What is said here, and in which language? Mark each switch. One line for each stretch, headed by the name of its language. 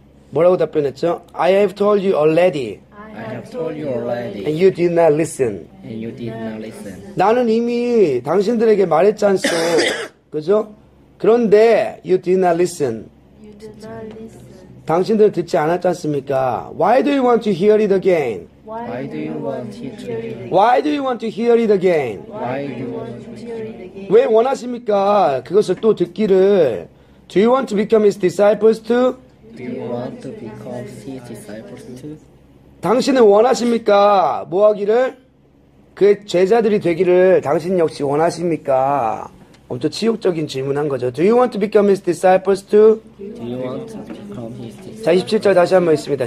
Korean: 뭐라고 답변했죠?
English: I have told you already. I have told you already. And you did not listen. And you did not listen.
Korean: 나는 이미 당신들에게 말했잖소. 그죠? 그런데
English: you did not listen. You did not listen.
Korean: 당신들 듣지 않았잖습니까?
English: Why do you want to hear it again? Why do you want it to hear it? Why do you want to hear it again? Why do you want to hear it again?
Korean: 왜 원하십니까? 그것을 또 듣기를.
English: Do you want to become his disciples too? Do you want to become his disciples too?
Korean: 당신은 원하십니까? 뭐 하기를? 그의 제자들이 되기를 당신 역시 원하십니까? 엄청 치욕적인 질문 한 거죠.
English: Do you want to become his disciples too? Do you want to become his disciples?
Korean: 자, 27절 다시 한번 있습니다.